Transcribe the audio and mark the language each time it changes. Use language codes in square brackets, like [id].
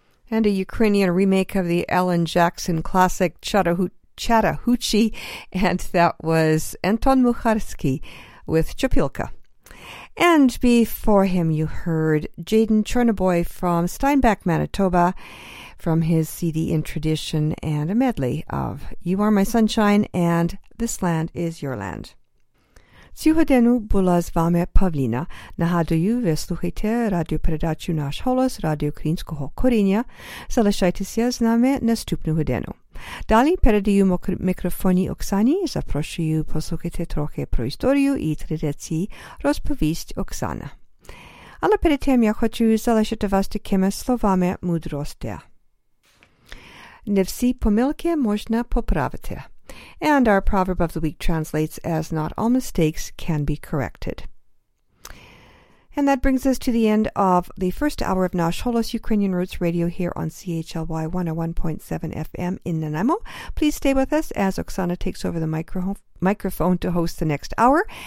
[en] And a Ukrainian remake of the Alan Jackson classic Chattahoochee, and that was Anton Mucharski with Chopilka. And before him you heard Jaden Chernoboy from Steinbeck, Manitoba, from his CD In Tradition, and a medley of You Are My Sunshine and This Land Is Your Land. [uk] Сьогодні була з вами Павліна. Нагадую, ви слухаєте радіопередачу «Наш голос» Радіо Українського коріння. Залишайтеся з нами наступну годину. Далі передаю мікрофоні Оксані. Запрошую послухати трохи про історію і традиції, розповість Оксана. Але перед тим я хочу залишити вас такими словами мудрості. Не всі помилки можна поправити. [en] And our proverb of the week translates as not all mistakes can be corrected. And that brings us to the end of the first hour of Nash Holos Ukrainian Roots Radio here on CHLY 101.7 FM in Nanaimo. Please stay with us as Oksana takes over the microphone to host the next hour.